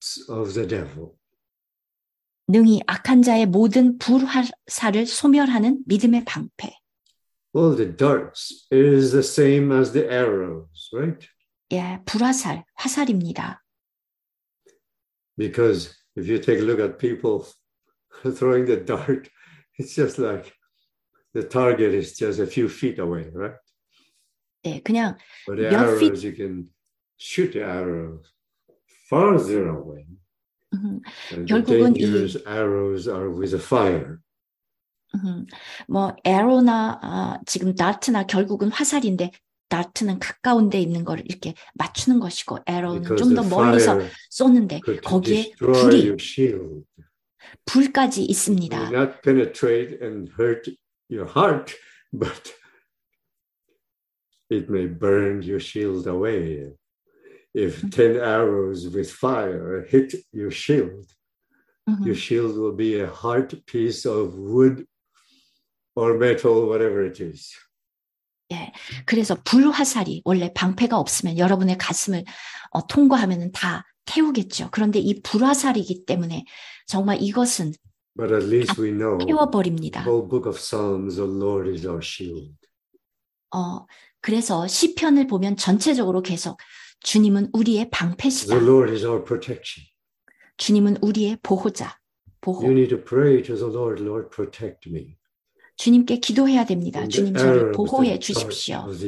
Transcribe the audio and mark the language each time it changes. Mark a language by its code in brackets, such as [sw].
[en] Of the devil. [ko] 능히 악한 자의 모든 불화살을 소멸하는 믿음의 방패. [en] Well, the darts is the same as the arrows, right? [ko] 예, 불화살, 화살입니다. [en] Because if you take a look at people throwing the dart, it's just like the target is just a few feet away, right? [ko] 예, 그냥 [en] But the arrows, you can shoot the arrows. Farther away. And the dangerous arrows are with a fire. [ko] 뭐 arrow나 지금 dart나 결국은 화살인데 dart는 가까운데 있는 걸 이렇게 맞추는 것이고 arrow는 좀 더 멀리서 쏘는데 거기에 불이 불까지 있습니다. [en] It may not penetrate and hurt your heart, but it may burn your shield away. If 10 arrows with fire hit your shield, Mm-hmm. Your shield will be a hard piece of wood or metal, whatever it is. [ko] 예, 그래서 불화살이 원래 방패가 없으면 여러분의 가슴을 통과하면은 다 태우겠죠. 그런데 이 불화살이기 때문에 정말 이것은 [en] But at least we know [ko] 태워버립니다. [en] The whole book of Psalms, the Lord is our shield. [ko] 그래서 시편을 보면 전체적으로 계속 주님은 우리의 방패시다. [en] The Lord is our protection. [ko] 주님은 우리의 보호자, 보호. [en] You need to pray to the Lord, Lord, protect me. [ko] 주님께 기도해야 됩니다. 주님 저를 보호해 주십시오.